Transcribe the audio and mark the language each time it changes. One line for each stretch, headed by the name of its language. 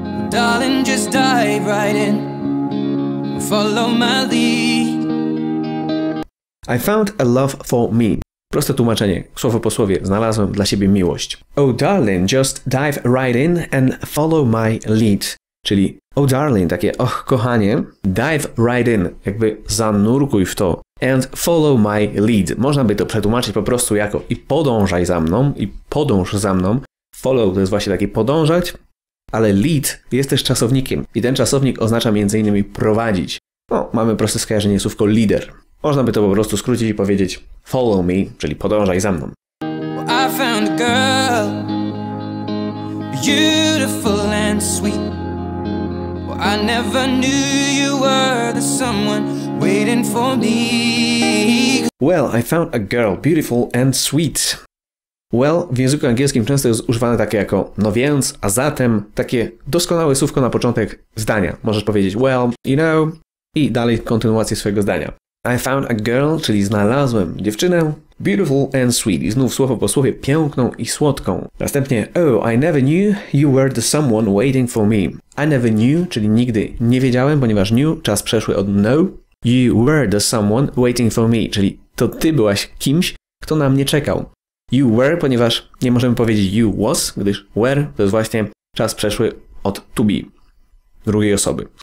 English: Darling, just dive right in. Follow my lead. I found a love for me.
Polish: Proste tłumaczenie, słowo po słowie, znalazłem dla siebie miłość.
English: Oh darling, just dive right in and follow my lead.
Polish: Czyli,
English: oh darling,
Polish: takie, och kochanie,
English: dive right in,
Polish: jakby zanurkuj w to.
English: And follow my lead.
Polish: Można by to przetłumaczyć po prostu jako i podążaj za mną, i podąż za mną. Follow to jest właśnie takie podążać, ale lead jest też czasownikiem. I ten czasownik oznacza m.in. prowadzić. No, mamy proste skojarzenie słówko leader. Można by to po prostu skrócić i powiedzieć
English: follow me,
Polish: czyli podążaj za mną.
English: I found a girl, beautiful and sweet. I never knew you were the someone waiting for me. Well, I found a girl, beautiful and sweet.
Polish: Well, w języku angielskim często jest używane takie jako no więc, a zatem, takie doskonałe słówko na początek zdania. Możesz powiedzieć
English: well, you know,
Polish: i dalej kontynuację swojego zdania.
English: I found a girl,
Polish: czyli znalazłem dziewczynę,
English: beautiful and sweet.
Polish: I znów słowo po słowie, piękną i słodką. Następnie,
English: oh, I never knew you were the someone waiting for me. I never knew,
Polish: czyli nigdy nie wiedziałem, ponieważ knew, czas przeszły od know.
English: You were the someone waiting for me,
Polish: czyli to ty byłaś kimś, kto na mnie czekał.
English: You were,
Polish: ponieważ nie możemy powiedzieć
English: you was,
Polish: gdyż were to jest właśnie czas przeszły od
English: to be,
Polish: drugiej osoby.